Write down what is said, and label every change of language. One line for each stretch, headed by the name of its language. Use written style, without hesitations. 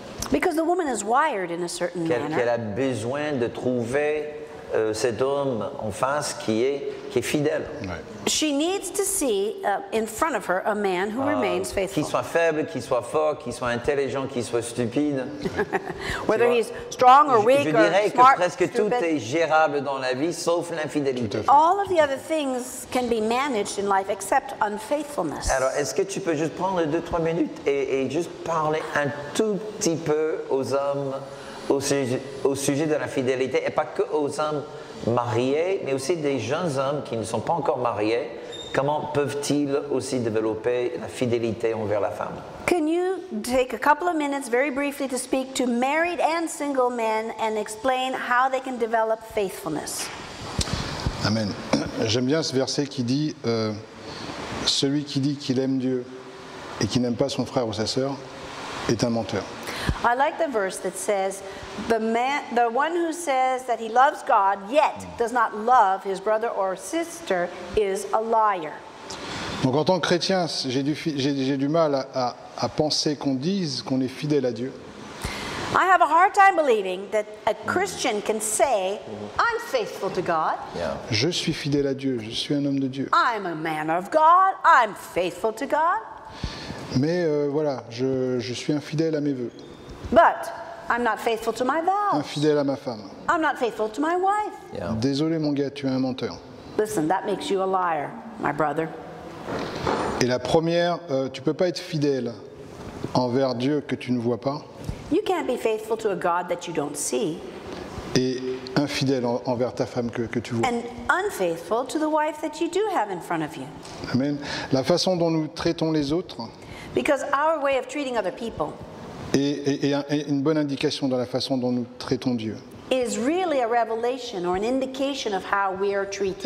English: Because the woman is wired in a certain manner.
French: Qu'elle a besoin de trouver cet homme en face qui est fidèle.
English: Right. She needs to see in front of her a man who remains faithful.
French: Qu'il soit faible, qu'il soit fort, qu'il soit intelligent, qu'il soit stupide.
English: Whether he's strong or weak or smart.
French: Je dirais que presque tout est gérable dans la vie sauf l'infidélité.
English: All of the other things can be managed in life except unfaithfulness.
French: Alors, est-ce que tu peux juste prendre 2-3 minutes et juste parler un tout petit peu aux hommes au sujet de la fidélité et pas que aux hommes mariés, mais aussi des jeunes hommes qui ne sont pas encore mariés, comment peuvent-ils aussi développer la fidélité envers la femme?
English: Can you take a couple of minutes very briefly to speak to married and single men and explain how they can develop faithfulness? Amen.
French: J'aime bien ce verset qui dit celui qui dit qu'il aime Dieu et qui n'aime pas son frère ou sa sœur est un menteur.
English: I like the verse that says, the one who says that he loves God yet does not love his brother or sister is a liar.
French: Donc en tant que chrétien, j'ai du mal à penser qu'on dise qu'on est fidèle à Dieu.
English: I have a hard time believing that a Christian can say, I'm faithful to God. Yeah.
French: Je suis fidèle à Dieu, je suis un homme de Dieu.
English: I'm a man of God, I'm faithful to God.
French: Mais voilà, je suis infidèle à mes vœux.
English: But I'm not faithful to my vows.
French: Infidèle à ma femme.
English: I'm not faithful to my wife. Yeah.
French: Désolé mon gars, tu es un menteur.
English: Listen, that makes you a liar, my brother.
French: Et la première, tu peux pas être fidèle envers Dieu que tu ne vois pas.
English: You can't be faithful to a God that you don't see.
French: Et infidèle envers ta femme que tu vois.
English: And unfaithful to the wife that you do have in front of you.
French: Amen. La façon dont nous traitons les autres.
English: Because our way of treating other people.
French: Et une bonne indication dans la façon dont nous traitons Dieu.
English: is really a revelation or an indication of how we are treating God.